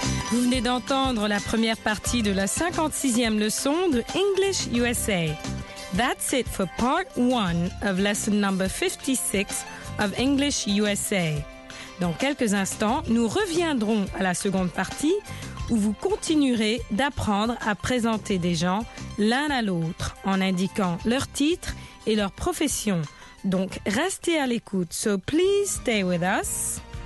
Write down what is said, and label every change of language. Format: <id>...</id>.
<fr>Vous venez d'entendre la première partie de la 56e leçon de English USA.</fr> <en>That's it for part one of lesson number 56 of English USA.</en> <fr>Dans quelques instants, nous reviendrons à la seconde partie où vous continuerez d'apprendre à présenter des gens l'un à l'autre en indiquant leur titre et leur profession. Donc, restez à l'écoute.</fr> <en>So please stay with us.</en>